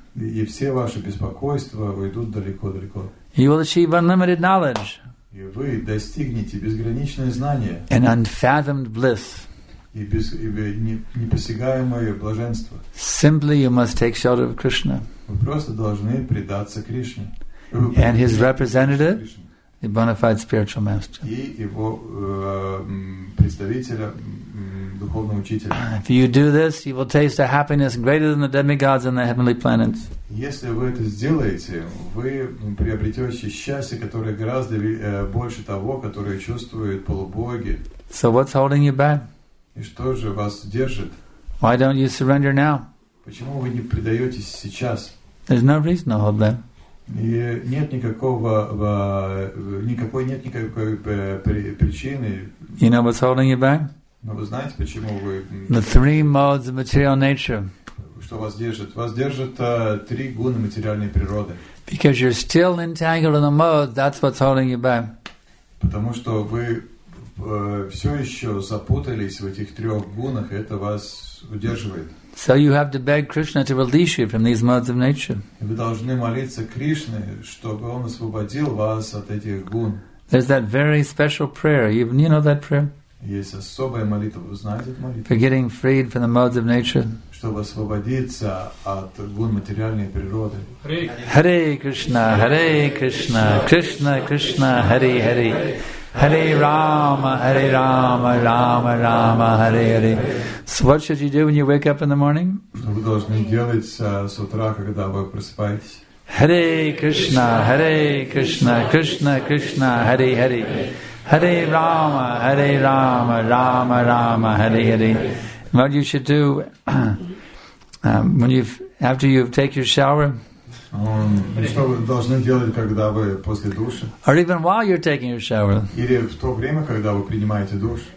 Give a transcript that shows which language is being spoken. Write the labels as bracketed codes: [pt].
[ru] И все ваши беспокойства уйдут далеко-далеко. [en] You will achieve unlimited knowledge. [ru] И вы достигнете безграничное знание. [en] And unfathomed bliss. [ru] И непосягаемое блаженство. [en] Simply you must take shelter of Krishna. [ru] Вы просто должны предаться Кришне. [en] And his representative, the bona fide spiritual master. [ru] И его представителя, духовного учителя. [en] If you do this, you will taste a happiness greater than the demigods and the heavenly planets. [ru] Если вы это сделаете, вы приобретете счастье, которое гораздо больше того, которое чувствуют полубоги. [en] So what's holding you back? [ru] И что же вас держит? [en] Why don't you surrender now? [ru] Почему вы не предаетесь сейчас? [en] There's no reason to hold back. [ru] И нет никакой причины. [en] You know what's holding you back? [ru] Но вы знаете, почему вы... [en] The three modes of material nature. [ru] Что вас держит? Вас держат три гуны материальной природы. [en] Because you're still entangled in the mode, that's what's holding you back. [ru] Потому что вы все еще запутались в этих трех гунах, и это вас удерживает. [en] So you have to beg Krishna to release you from these modes of nature. [ru] Вы должны молиться Кришне, чтобы он освободил вас от этих гун. [en] There's that very special prayer. You know that prayer? [ru] Есть особая молитва. Вы знаете эту молитву? [en] For getting freed from the modes of nature. [ru] Чтобы освободиться от гун материальной природы. [sa] Hare Krishna, Hare Krishna, Krishna Krishna, Hare Hare. Hare Rama, Hare Rama, Rama Rama, Hare Hare. [en] So what should you do when you wake up in the morning? [ru] Что вы должны делать с утра, когда вы просыпаетесь? [sa] Hare Krishna, Hare Krishna, Krishna Krishna, Hare Hare. Hare Rama, Hare Rama, Rama Rama, Hare Hare. [en] What you should do after you've taken your shower? [ru] Что вы должны делать, когда вы после душа? [en] Or even while you're taking your shower? [ru] Или в то время, когда вы принимаете душ?